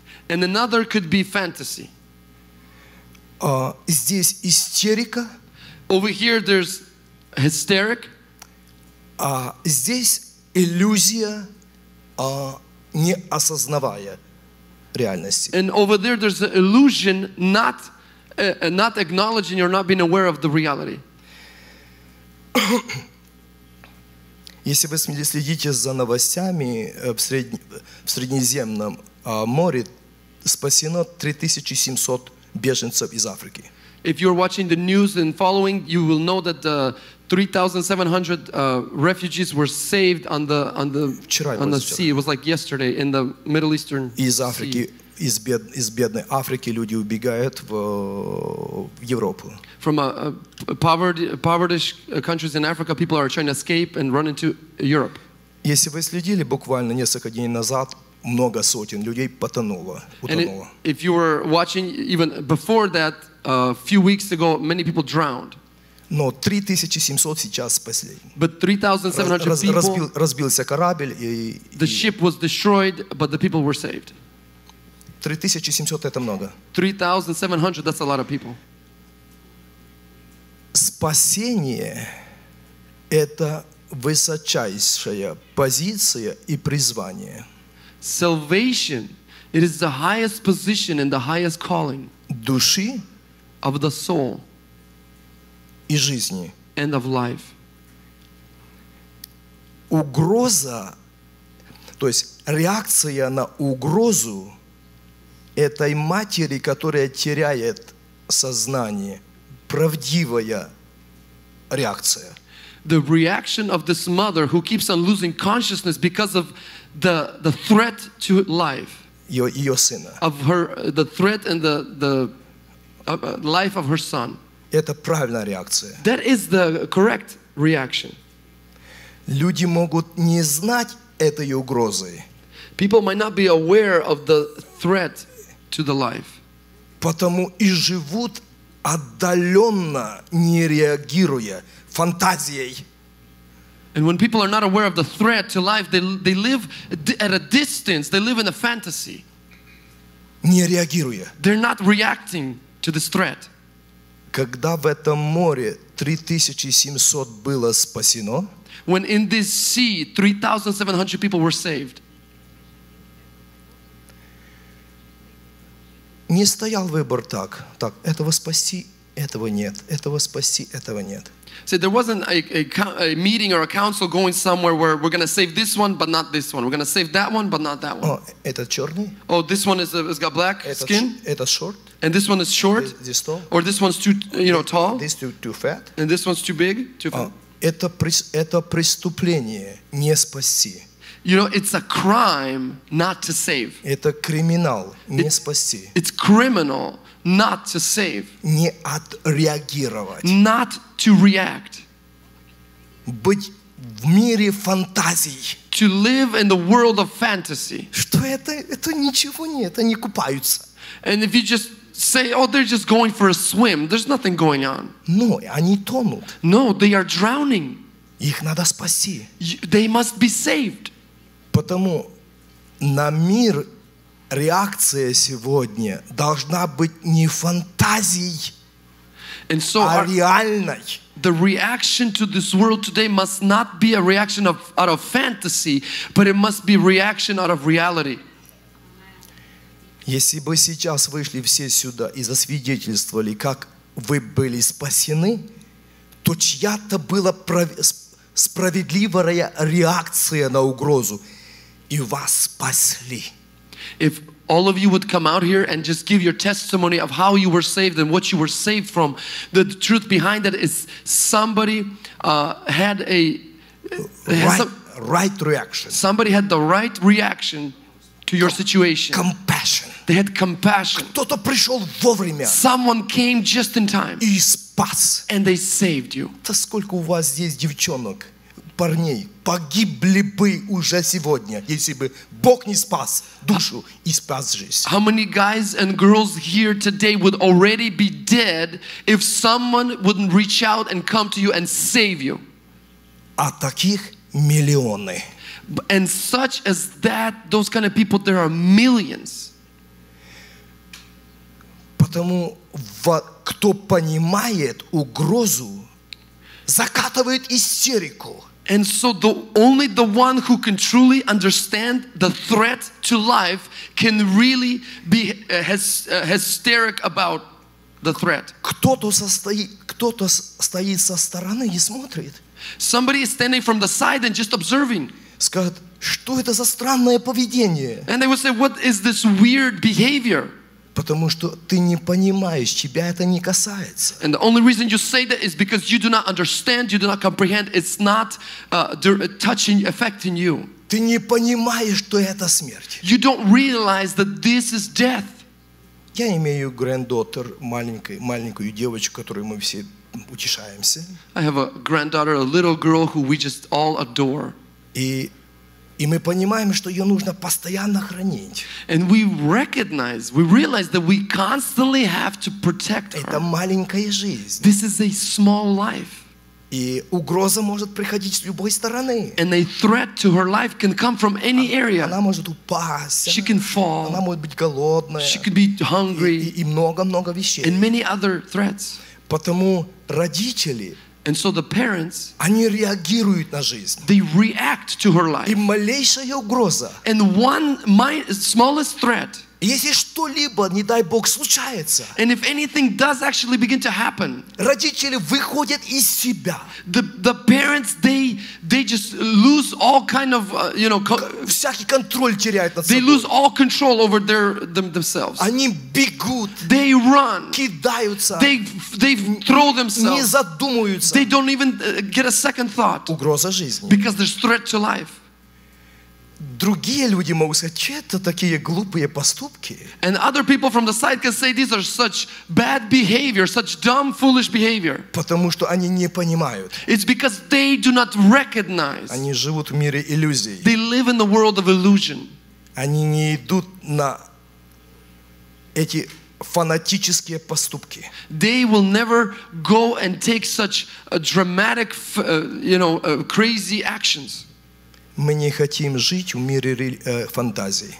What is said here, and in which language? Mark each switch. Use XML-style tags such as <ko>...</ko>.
<en>And another could be fantasy.</en> <ru>Здесь истерика.</ru> <en>Over here there's hysteric.</en> <ru>Здесь иллюзия, не осознавая реальности.</ru> <en>And over there there's an illusion, not acknowledging or not being aware of the reality.</en> <ru>Если вы следите за новостями в Среднеземном море, спасено 3700 беженцев из Африки.</ru> <en>If you're watching the news and following, you will know that 3,700 refugees were saved on the sea. It was like yesterday in the Middle Eastern</en> <ru>из Африки,</ru> <en>sea.</en> <ru>Из бедной Африки люди убегают в Европу.</ru> <en>From poverty countries in Africa, people are trying to escape and run into Europe.</en> <ru>Если вы следили буквально несколько дней назад, много сотен людей потонуло, утонуло.</ru> <en>And if you were watching even before that, a few weeks ago, many people drowned.</en> <ru>Но 3700 сейчас спасли.</ru> <en>But 3,700 people.</en> <ru>Разбился корабль и.</ru> <en>The ship was destroyed, but the people were saved.</en> <ru>3700 это много.</ru> <en>3,700, that's a lot of people.</en> <ru>Спасение это высочайшая позиция и призвание.</ru> <en>Salvation, it is the highest position and the highest calling.</en> <ru>Души.</ru> <en>Of the soul.</en> <ru>И жизни.</ru> <en>And of life.</en> <ru>Угроза, то есть реакция на угрозу этой матери, которая теряет сознание, правдивая реакция.</ru> <en>The reaction of this mother who keeps on losing consciousness because of the threat to life.</en> <ru>Ее сына.</ru> <en>Of her, the threat and the life of her son.</en> <ru>Это правильная реакция.</ru> <en>That is the correct reaction.</en> <ru>Люди могут не знать этой угрозы.</ru> <en>People might not be aware of the threat to the life.</en> <ru>Потому и живут отдаленно, не реагируя, фантазией.</ru> <en>And when people are not aware of the threat to life, they live at a distance. They live in a fantasy.</en> <ru>Не реагируя.</ru> <en>They're not reacting to this threat.</en> <ru>Когда в этом море 3700 было спасено,</ru> <en>when in this sea 3,700 people were saved,</en> <ru>не стоял выбор так, этого спасти, этого нет, этого спасти, этого нет.</ru> <en>So there wasn't a meeting or a council going somewhere where we're going to save this one, but not this one. We're going to save that one, but not that one.</en> <ru>Oh, этот черный?</ru> <en>Oh, this one has got black</en> <ru>этот,</ru> <en>skin.</en> <ru>Это</ru> <en>short. And this one is short. This tall. Or this one's too, you know, tall. This too fat. And this one's too big, too fat.</en> <ru>Это преступление не спасти.</ru> <en>You know, it's a crime not to save.</en> <ru>Это криминал не спасти.</ru> <en>It's criminal. Not to save.</en> <ru>Не отреагировать.</ru> <en>Not to react.</en> <ru>Быть в мире фантазий.</ru> <en>To live in the world of fantasy.</en> <ru>Что это ничего нет, они купаются.</ru> <en>And if you just say, oh, they're just going for a swim, there's nothing going on.</en> <ru>Но они тонут.</ru> <en>No, they are drowning.</en> <ru>Их надо спасти.</ru> <en>They must be saved.</en> <ru>Потому на мир реакция сегодня должна быть не фантазией,</ru> <en>and so</en> <ru>а реальной.</ru> <en>The reaction to this world today must not be a reaction out of fantasy, but it must be reaction out of reality.</en> <ru>Если бы сейчас вышли все сюда и засвидетельствовали, как вы были спасены, то чья-то была справедливая реакция на угрозу, и вас спасли.</ru> <en>If all of you would come out here and just give your testimony of how you were saved and what you were saved from, the truth behind that is somebody had a right reaction. Somebody had the right reaction to your situation. Compassion. They had compassion.</en> <ru>Кто-то пришел вовремя.</ru> <en>Someone came just in time.</en> <ru>И спас.</ru> <en>And they saved you.</en> <ru>Да сколько у вас здесь девчонок, парней? Погибли бы уже сегодня, если бы Бог не спас душу и спас жизнь.</ru> <en>How many guys and girls here today would already be dead if someone wouldn't reach out and come to you and save you?</en> <ru>А таких миллионы.</ru> <en>And such as that, those kind of people, there are millions.</en> <ru>Потому кто понимает угрозу, закатывает истерику.</ru> <en>And so only the one who can truly understand the threat to life can really be hysteric about the threat.</en> <ru>Кто-то стоит со стороны и смотрит.</ru> <en>Somebody is standing from the side and just observing.</en> <ru>Скажет, что это за странное поведение?</ru> <en>And they will say, what is this weird behavior?</en> <ru>Потому что ты не понимаешь, тебя это не касается.</ru> <en>And the only reason you say that is because you do not understand, you do not comprehend, it's not touching, affecting you.</en> <ru>Ты не понимаешь, что это смерть.</ru> <en>You don't realize that this is death.</en> <ru>Я имею гранд-доттер, маленькую девочку, которую мы все утешаемся.</ru> <en>I have a granddaughter, a little girl who we just all adore.</en> <ru>И И мы понимаем, что ее нужно постоянно хранить.</ru> <en>And we recognize, we realize that we constantly have to protect her.</en> <ru>Это маленькая жизнь.</ru> <en>This is a small life.</en> <ru>И угроза может приходить с любой стороны.</ru> <en>And a threat to her life can come from any area.</en> <ru>Она может упасть.</ru> <en>She can fall.</en> <ru>Она может быть голодная.</ru> <en>She could be hungry.</en> <ru>И много-много вещей.</ru> <en>And many other threats.</en> <ru>Потому родители...</ru> <en>And so the parents,</en> <ru>они реагируют на жизнь.</ru> <en>They react to her life.</en> <ru>И малейшая угроза.</ru> <en>And one smallest threat.</en> <ru>Если что-либо, не дай Бог, случается.</ru> <en>And if anything does actually begin to happen.</en> <ru>Родители выходят из себя.</ru> <en>The parents, they just lose all kind of, you know,</en> <ru>всякий контроль теряют над собой.</ru> <en>They lose all control over themselves.</en> <ru>Они бегут.</ru> <en>They run.</en> <ru>Кидаются.</ru> <en>They throw themselves.</en> <ru>Не задумываются.</ru> <en>They don't even get a second thought.</en> <ru>Угроза жизни.</ru> <en>Because there's threat to life.</en> <ru>Другие люди могут сказать, что это такие глупые поступки.</ru> <en>And other people from the side can say these are such bad behavior, such dumb, foolish behavior.</en> <ru>Потому что они не понимают.</ru> <en>It's because they do not recognize.</en> <ru>Они живут в мире иллюзий.</ru> <en>They live in the world of illusion.</en> <ru>Они не идут на эти фанатические поступки.</ru> <en>They will never go and take such dramatic, crazy actions.</en> <ru>Мы не хотим жить в мире фантазий.</ru>